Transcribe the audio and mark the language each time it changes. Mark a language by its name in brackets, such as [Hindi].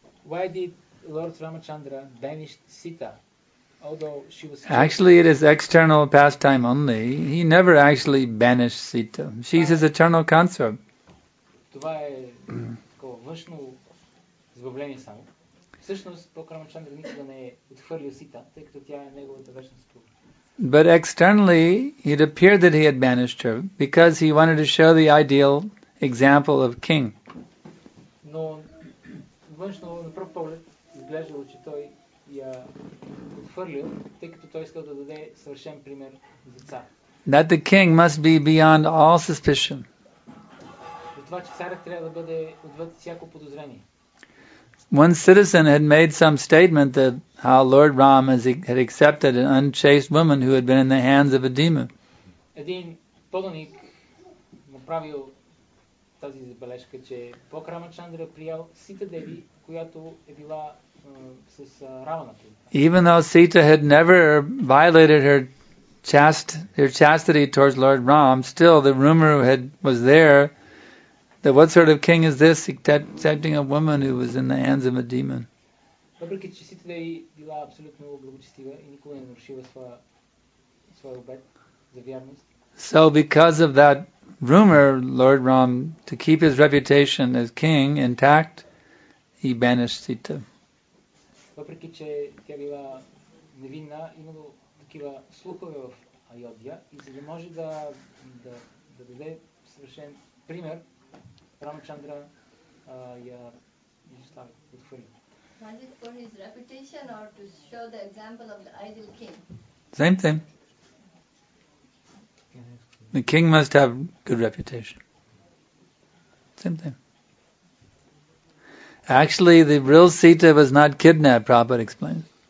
[English] Why did Lord Ramachandra banish Sita? Although she was actually it is external pastime only. He never actually banished Sita. She's his eternal consort. [Bulgarian] Това е такова външно избавление само. Всъщност, Бог Рамачандра никога не е отхвърлил Сита, тъй като тя е неговата вечна съпруга. [English] But externally, it appeared that he had banished her because he wanted to show the ideal example of king. [Bulgarian] Но външно, на пръв поглед, изглеждало, че той я отхвърлил, тъй като той искал да даде съвършен пример за цар. [English] That the king must be beyond all suspicion. [Bulgarian] За това, че царът трябва да бъде отвъд всяко подозрение. [English] One citizen had made some statement that how Lord Ram had accepted an unchaste woman who had been in the hands of a demon. [Bulgarian] Един поданик направил тази забележка, че Бог Рамачандра приял Сита Деви, която е била с Равана. [English] Even though Sita had never violated her chastity towards Lord Ram, still the rumor was there that what sort of king is this accepting a woman who was in the hands of a demon. [Bulgarian] Въпреки че Сита Деви била абсолютно благочестива и никога не нарушила своя обет за вярност. [English] So because of that rumor, Lord Ram, to keep his reputation as king intact, he banished Sita. [Bulgarian] Въпреки че тя била невинна, имало такива слухове в Айодия и за да може да даде съвършен пример, Рамачандра я изостави, отхвърли. [English] Was it for his reputation or to show the example of the ideal king? Same thing. The king must have good reputation. Same thing. Actually, the real Sita was not kidnapped, Prabhupada explains.